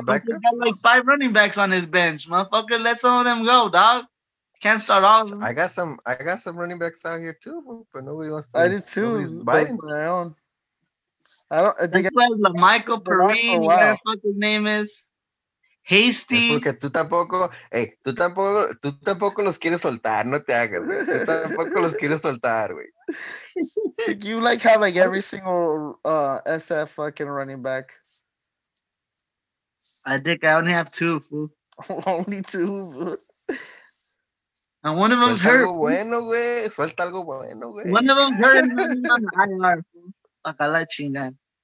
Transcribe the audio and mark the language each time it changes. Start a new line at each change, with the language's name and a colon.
English: He got like five running backs on his bench. Motherfucker, let some of them go, dog. Can't start all of them. I got some running backs out here too, but nobody wants to. I did too. Nobody's biting my own. I don't I think that's why LaMichael Perrine, whatever the fuck his name is. Hasty.
Spanish: Es porque tú tampoco, hey, tú tampoco los quieres soltar, no te hagas, güey. Tú tampoco los quieres soltar, güey.
English: You like have like every single SF fucking running back. I think I only have two, fool. Only two, fool. And one of them's
Spanish: suelta
English: hurt.
Spanish: Algo bueno, güey. Suelta algo bueno, güey.
English: One of them's hurt. Like
Spanish: a la chingada.